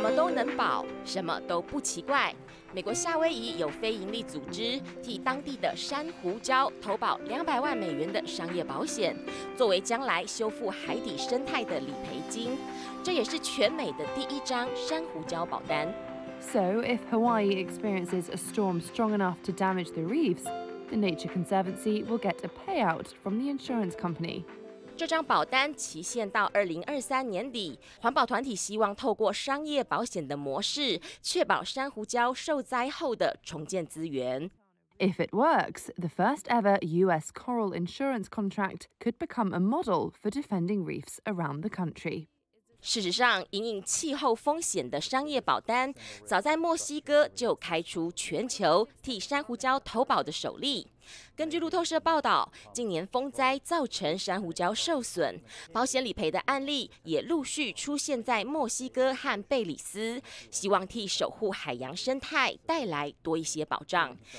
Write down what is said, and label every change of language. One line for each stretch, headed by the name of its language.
Chinese: 么都能保，什么都不奇怪。美国夏威夷有非营利组织替当地的珊瑚礁投保$2,000,000的商业保险，作为将来修复海底生态的理赔金。这也是全美的第一张珊瑚礁保单。
English: So if Hawaii experiences a storm strong enough to damage the reefs, the Nature Conservancy will get a payout from the insurance company.
Chinese: 这张保单期限到2023年底，环保团体希望透过商业保险的模式，确保珊瑚礁受灾后的重建资源。
English: If it works, the first ever U.S. coral insurance contract could become a model for defending reefs around the country.
Chinese: 事实上，因应气候风险的商业保单早在墨西哥就开出全球替珊瑚礁投保的首例。根据路透社报道，近年风灾造成珊瑚礁受损，保险理赔的案例也陆续出现在墨西哥和贝里斯，希望替守护海洋生态带来多一些保障。